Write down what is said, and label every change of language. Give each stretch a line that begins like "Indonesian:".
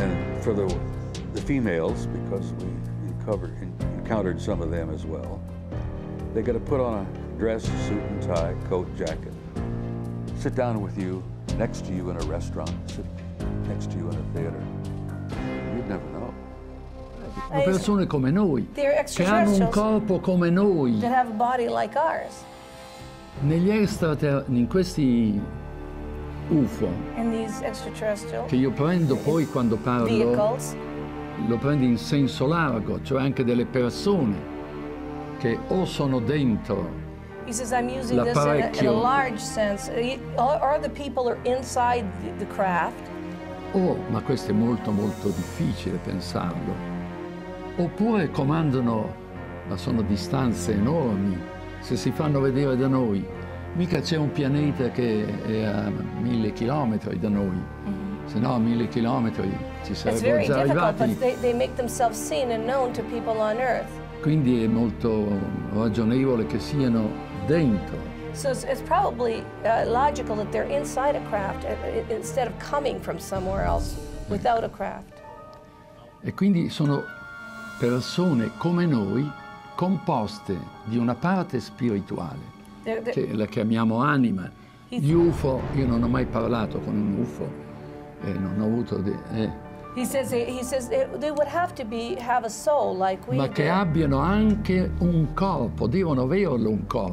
English: And for the females, because we encountered some of them as well, they could have put on a dress, suit and tie, coat, jacket, sit down with you, next to you in a restaurant, sit next to you in a theater. You'd never know.
Italian: Le persone come noi, che hanno un corpo come noi,
English: that have a body like ours.
Italian: Negli extraterrestri, in questi UFO,
English: in these extraterrestrial,
Italian: che io prendo poi quando parlo,
English: vehicles,
Italian: lo prendo in senso largo, cioè anche delle persone che o sono dentro.
English: He says, I'm using this in a large sense. Are the people are inside the craft?
Italian: Oh, ma questo è molto, molto difficile pensarlo. Oppure comandano, ma sono distanze enormi. Se si fanno vedere da noi, mica c'è un pianeta che è a 1,000 chilometers da noi. Mm-hmm. Se no, a 1,000 chilometers ci sarebbero già arrivati.
English: It's very difficult, but they make themselves seen and known to people on Earth.
Italian: Quindi è molto ragionevole che siano dentro.
English: So it's probably logical that they're inside a craft instead of coming from somewhere else without a craft.
Italian: E quindi sono persone come noi, composte di una parte spirituale, che la chiamiamo anima. Gli UFO, io non ho mai parlato con un UFO, non ho avuto...
English: He says they would have to be have a soul like we.
Italian: Ma che abbiano anche un corpo, devono averlo un corpo.